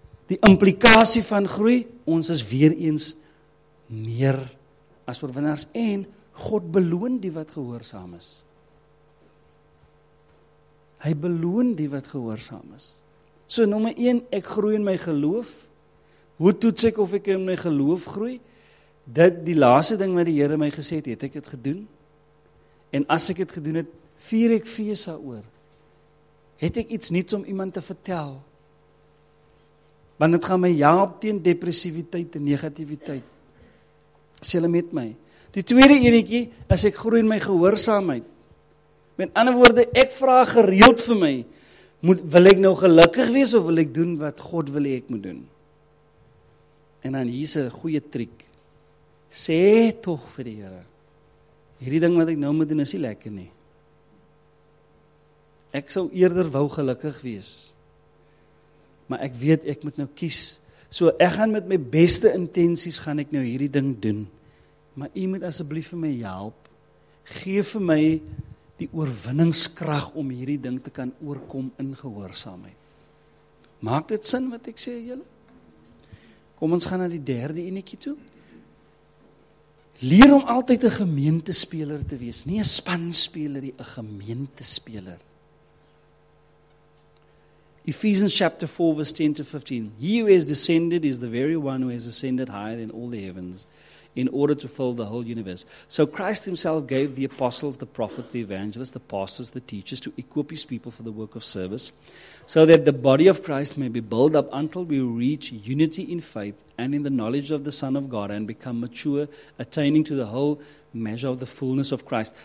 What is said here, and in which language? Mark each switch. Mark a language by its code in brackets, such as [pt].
[af] Die implikasie van groei, ons is weer eens meer as oorwinnaars en God beloon die wat gehoorsaam is. Hy beloon die wat gehoorsaam is. So nommer 1, ek groei in my geloof. Hoe toets ek of ek in my geloof groei? Dit die laaste ding wat die Here my gesê het, ek het gedoen. En as ek het gedoen het, vier ek fees daaroor. Het ek iets nuuts om iemand te vertel? Want dit gaan my help teen depressiwiteit en negativiteit. Sê hulle met my. Die tweede enetjie is ek groei in my gehoorsaamheid. Met ander woorde, ek vra gereeld vir my, wil ek nou gelukkig wees of wil ek doen wat God wil hê ek moet doen? En dan hier's 'n goeie triek. Sê tog vir die Here, hierdie ding wat ek nou moet doen is nie lekker nie. Ek sou eerder wou gelukkig wees. Maar ek weet ek moet nou kies. So ek gaan met my beste intensies gaan ek nou hierdie ding doen. Maar u moet asseblief vir my help. Gee vir my die oorwinningskrag om hierdie ding te kan oorkom in gehoorsaamheid. Maak dit sin wat ek sê julle? Kom ons gaan na die derde enetjie toe. Leer om altyd 'n gemeentespeler te wees. Nie 'n spanspeler nie, 'n gemeentespeler. [en] Ephesians chapter 4 verse 10 to 15. He who has descended is the very one who has ascended higher than all the heavens, in order to fill the whole universe. So Christ himself gave the apostles, the prophets, the evangelists, the pastors, the teachers, to equip his people for the work of service, so that the body of Christ may be built up until we reach unity in faith and in the knowledge of the Son of God and become mature, attaining to the whole measure of the fullness of Christ.